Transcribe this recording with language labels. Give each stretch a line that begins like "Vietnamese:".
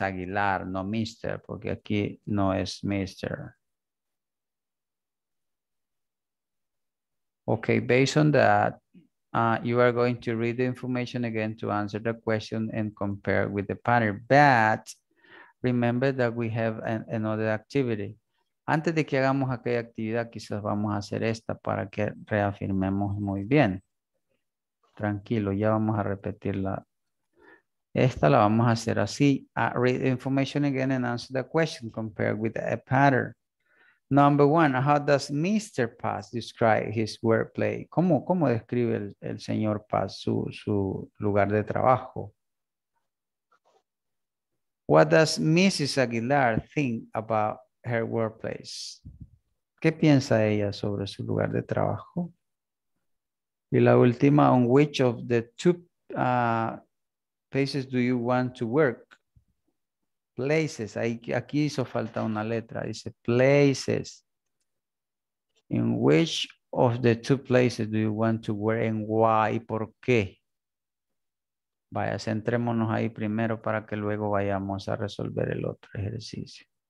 Spanish: Aguilar, no Mr., porque aquí no es Mr.
English: Okay, based on that, you are going to read the information again to answer the question and compare with the pattern. But remember that we have another activity.
Spanish: Antes de que hagamos aquella actividad, quizás vamos a hacer esta para que reafirmemos muy bien. Tranquilo, ya vamos a repetirla. Esta la vamos a hacer así.
English: Read information again and answer the question compared with a pattern. Number one, how does Mr. Paz describe his workplace?
Spanish: ¿Cómo describe el señor Paz su lugar de trabajo?
English: What does Mrs. Aguilar think about her workplace?
Spanish: ¿Qué piensa ella sobre su lugar de trabajo? Y la última,
English: on which of the two places do you want to work?
Spanish: Places, aquí hizo falta una letra, dice places.
English: In which of the two places do you want to work and why,
Spanish: por qué? Vaya, centrémonos ahí primero para que luego vayamos a resolver el otro ejercicio.